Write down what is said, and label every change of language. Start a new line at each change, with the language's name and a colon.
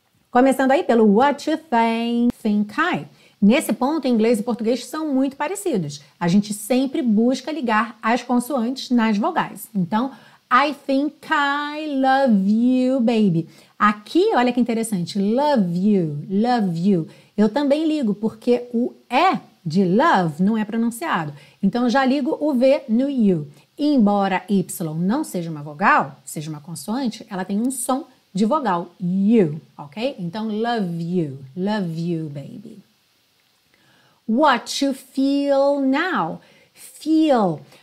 Portuguese: Começando aí pelo What You Think I. Nesse ponto, inglês e português são muito parecidos. A gente sempre busca ligar as consoantes nas vogais.
English: Então, I think I love you, baby.
Portuguese: Aqui, olha que interessante, love you, love you. Eu também ligo, porque o E de love não é pronunciado. Então, já ligo o V no you. Embora Y não seja uma vogal, seja uma consoante, ela tem um som de vogal, you, ok?
English: Então, love you, baby. What you feel now? Feel.